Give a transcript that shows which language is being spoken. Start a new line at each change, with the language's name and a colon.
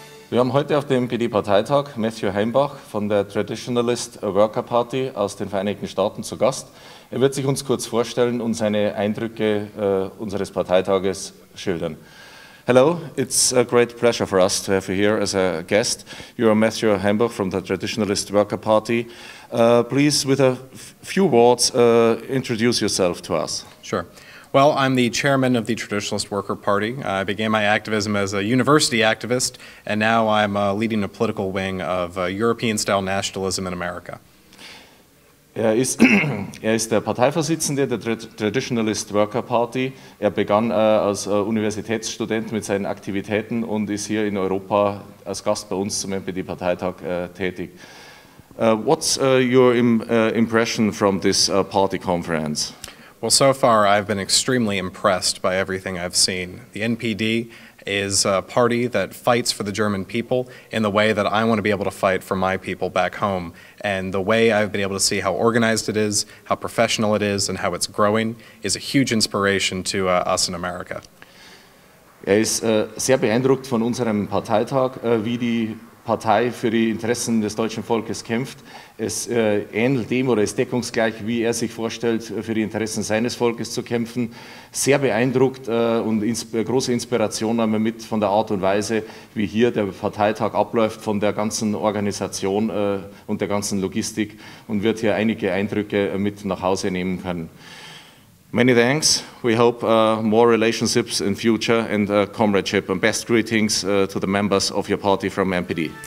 German: Wir haben heute auf dem PD-Parteitag Matthew Heimbach von der Traditionalist Worker Party aus den Vereinigten Staaten zu Gast. Er wird sich uns kurz vorstellen und seine Eindrücke unseres Parteitages schildern.
English: Hello, it's a great pleasure for us to have you here as a guest. You are Matthew Heimbach from the Traditionalist Worker Party. Please, with a few words, introduce yourself to us. Sure. Well, I'm the chairman of the Traditionalist Worker Party. I began my activism as a university activist, and now I'm leading a political wing of European-style nationalism in America.
German: Er ist der Parteivorsitzende der Traditionalist Worker Party. Er begann als Universitätsstudent mit seinen Aktivitäten und ist hier in Europa als Gast bei uns zum MPD-Parteitag tätig.
English: What's your impression from this party conference? Well, so far I've been extremely impressed by everything I've seen. The NPD is a party that fights for the German people in the way that I want to be able to fight for my people back home. And the way I've been able to see how organized it is, how professional it is, and how it's growing is a huge inspiration to us in America.
German: Er ist sehr beeindruckt von unserem Parteitag, wie die Partei für die Interessen des deutschen Volkes kämpft. Es ähnelt dem oder ist deckungsgleich, wie er sich vorstellt, für die Interessen seines Volkes zu kämpfen. Sehr beeindruckt und große Inspiration nahm er mit von der Art und Weise, wie hier der Parteitag abläuft, von der ganzen Organisation und der ganzen Logistik, und wird hier einige Eindrücke mit nach Hause nehmen können.
English: Many thanks. We hope more relationships in future and comradeship. And best greetings to the members of your party from MPD.